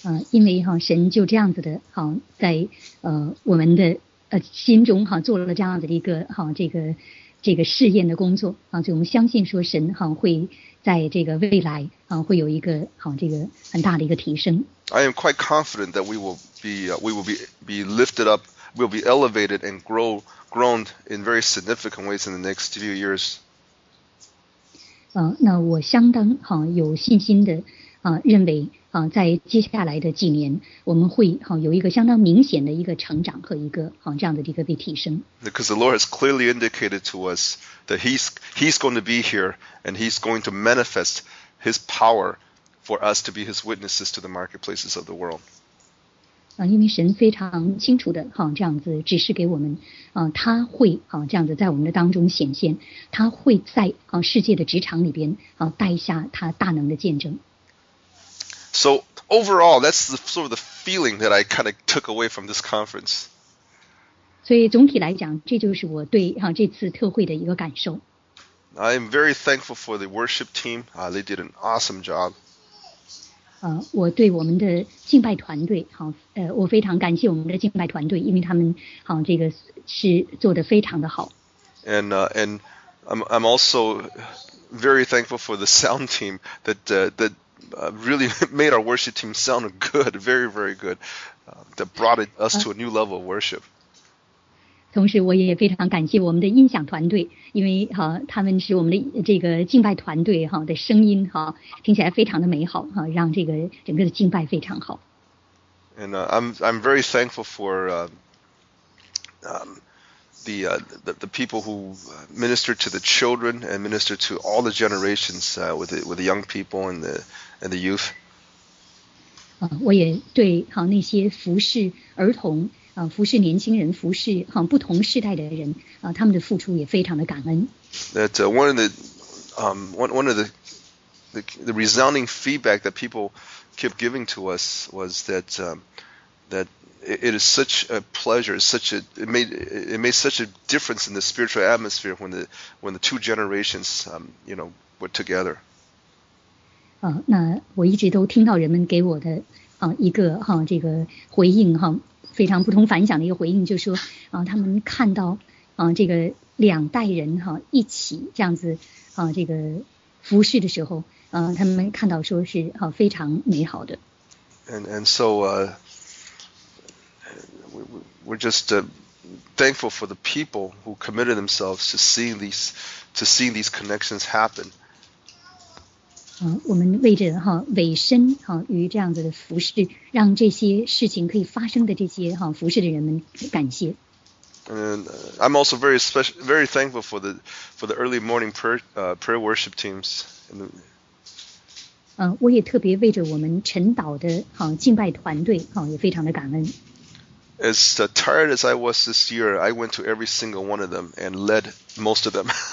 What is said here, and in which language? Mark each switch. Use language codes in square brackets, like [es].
[zh] 因为神就这样子的在我们的心中做了这样子的一个这个试验的工作所以我们相信说神会在这个未来会有一个这个很大的一个提升。 [en] I am quite confident that we will be lifted up, we'll be elevated and grown in very significant ways in the next few years. [zh] 那我相当有信心的认为在接下来的几年我们会有一个相当明显的一个成长和一个这样的一个被提升。 [en] Because the Lord has clearly indicated to us that he's going to be here and he's going to manifest his power for us to be his witnesses to the marketplaces of the world. [zh] 因为神非常清楚的这样子指示给我们他会这样子在我们的当中显现，他会在世界的职场里边带下他大能的见证。 [en] So overall, that's the, sort of the feeling that I kind of took away from this conference. [zh] 所以总体来讲，这就是我对这次特会的一个感受。 [en] I am very thankful for the worship team. They did an awesome job. [zh] 我对我们的敬拜团队我非常感谢我们的敬拜团队，因为他们这个是做得非常的好。 [en] And I'm also very thankful for the sound team that really made our worship team sound good, very, very good, that brought us to a new level of worship. [zh] 同时我也非常感谢我们的音响团队，因为他们是我们的这个敬拜团队的声音听起来非常的美好让这个整个的敬拜非常好。 [en] And I'm very thankful for the people who minister to the children and minister to all the generations with the young people and the youth. [zh] 我也对那些服侍儿童服侍年轻人，服侍不同世代的人他们的付出也非常的感恩。 [en] That one of the resounding feedback that people kept giving to us was that that it is such a pleasure, it made such a difference in the spiritual atmosphere when the two generations were together. [zh] 那我一直都听到人们给我的一个这个回应非常不同凡响的一个回应，就是说他们看到这个两代人一起这样子这个服侍的时候他们看到说是非常美好的。 [en] And so we're just thankful for the people who committed themselves to seeing these connections happen. [zh] 我们为着委身于这样子的服侍，让这些事情可以发生的这些服侍的人们感谢。 [en] I'm also very special, very thankful for the early morning prayer worship teams. [zh] 我也特别为着我们晨祷的敬拜团队也非常的感恩。 [en] As tired as I was this year, I went to every single one of them and led most of them.